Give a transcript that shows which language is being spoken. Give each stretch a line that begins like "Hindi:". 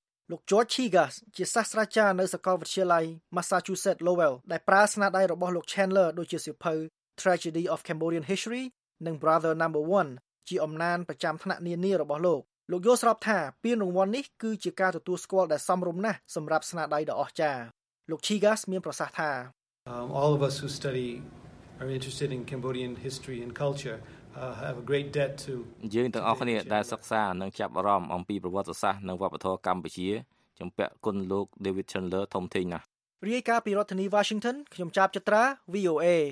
Khmer: លោក George Chigas ជាសាស្ត្រាចារ្យនៅសាកលវិទ្យាល័យ Massachusetts Lowell ដែលប្រើស្នាដៃរបស់លោក Chandler ដូចជាសៀវភៅ Tragedy of Cambodian History និង Brother Number 1ជាអំណានប្រចាំថ្នាក់នានារបស់លោកលោកយល់ស្របថាពានរង្វាន់នេះគឺជាការទទួលស្គាល់ដែលសមរម្យណាស់សម្រាប់ស្នាដៃដ៏អស្ចារ្យលោក Chigas មានប្រសាសន៍ថា
English: All of us who study are interested in Cambodian history and culture have a great debt to
Khmer: យើងទាំងអស់គ្នាដែលសិក្សានិងចាប់អារម្មណ៍អំពីប្រវត្តិសាស្ត្រនិងវប្បធម៌កម្ពុជាជំពាក់គុណលោក David Chandler ធំធេងណាស់រាយការណ៍ពីរដ្ឋធានី Washington ខ្ញុំចាប់ចត្រា VOA